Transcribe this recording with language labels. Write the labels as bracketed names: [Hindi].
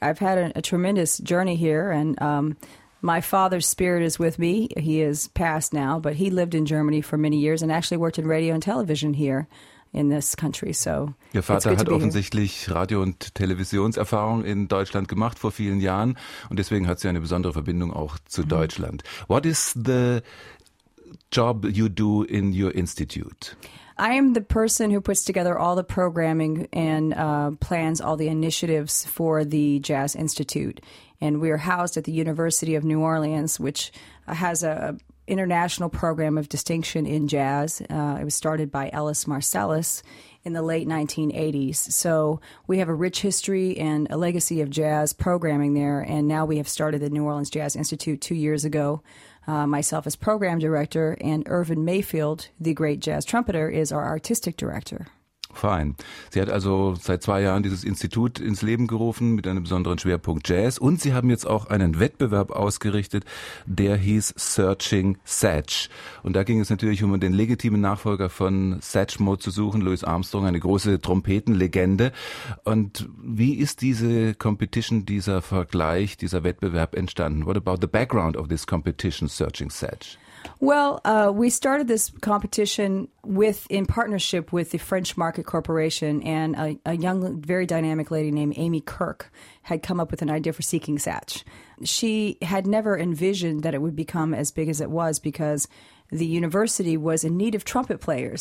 [English] I've had a tremendous journey here and my father's spirit is with me. He is passed now, but he lived in Germany for many years and actually worked in radio and television here in this country. So [German] Ihr Vater hat offensichtlich Radio- und Televisionserfahrung in Deutschland gemacht vor vielen Jahren und deswegen hat sie eine besondere Verbindung auch zu Deutschland. [English] What is the job you do in your institute? I am the person who puts together all the programming and plans all the initiatives for the Jazz Institute. And we are housed at the University of New Orleans, which has a international program of distinction in jazz. It was started by Ellis Marsalis in the late 1980s. So we have a rich history and a legacy of jazz programming there. And now we have started the New Orleans Jazz Institute 2 years ago. Myself as program director and Irvin Mayfield, the great jazz trumpeter, is our artistic director. Fine. [German] Sie hat also seit 2 Jahren dieses Institut ins Leben gerufen mit einem besonderen Schwerpunkt Jazz. Und Sie haben jetzt auch einen Wettbewerb ausgerichtet, der hieß Searching Satch. Und da ging es natürlich um den legitimen Nachfolger von Satchmo zu suchen, Louis Armstrong, eine große Trompetenlegende. Und wie ist diese Competition, dieser Vergleich, dieser Wettbewerb entstanden? [English] What about the background of this competition, Searching Satch? Well, we started this competition in partnership with the French Market Corporation, and a young, very dynamic lady named Amy Kirk had come up with an idea for Seeking Satch. She had never envisioned that it would become as big as it was because the university was in need of trumpet players.